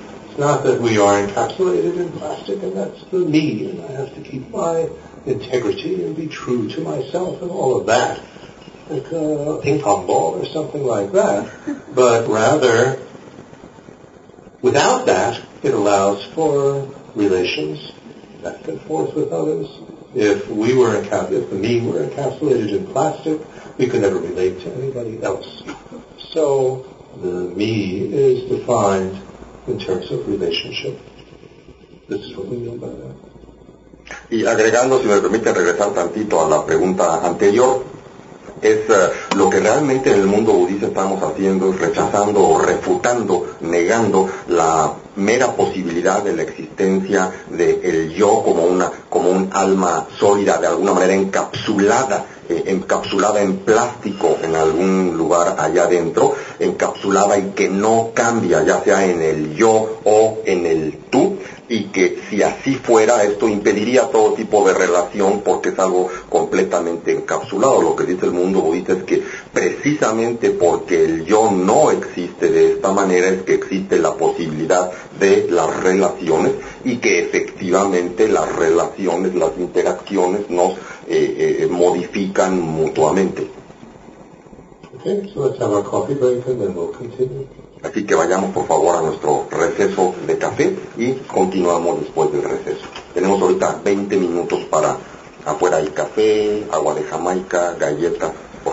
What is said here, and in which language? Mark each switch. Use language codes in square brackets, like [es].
[en] It's not that we are encapsulated in plastic and that's the me and I have to keep my integrity and be true to myself and all of that, like a ping pong ball or something like that, but rather without that it allows for relations back and forth with others. If the me were encapsulated in plastic, we could never relate to anybody else. So the me is defined in terms of relationship. This is what we mean by that. [es] Y agregando, si me permite regresar tantito a la pregunta anterior, es lo que realmente en el mundo budista estamos haciendo es rechazando o refutando, negando la mera posibilidad de la existencia del yo como un alma sólida, de alguna manera encapsulada en plástico en algún lugar allá adentro, encapsulada y que no cambia, ya sea en el yo o en el tú, y que si así fuera, esto impediría todo tipo de relación porque es algo completamente encapsulado. Lo que dice el mundo budista es que precisamente porque el yo no existe de esta manera es que existe la posibilidad de las relaciones, y que efectivamente las relaciones, las interacciones nos modifican mutuamente. [en] Okay, so let's have our coffee break and then we'll continue. [es] Así que vayamos por favor a nuestro receso de café y continuamos después del receso. Tenemos ahorita 20 minutos para afuera el café, agua de Jamaica, galletas.